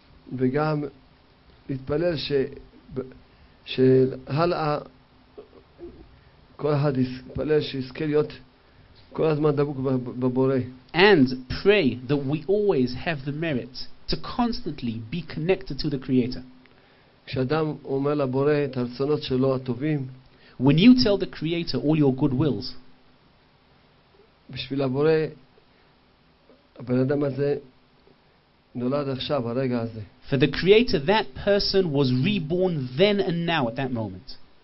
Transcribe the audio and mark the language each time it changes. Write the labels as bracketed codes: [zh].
[en] And pray that we always have the merit to constantly be connected to the Creator. [he] כשאדם אומר לבורא את הרצונות שלו הטובים, [en] when you tell the Creator all your good wills, [he] בשביל לבורא, הבן אדם הזה נולד עכשיו, הרגע הזה. [en] For the Creator, that person was reborn then and now at that moment.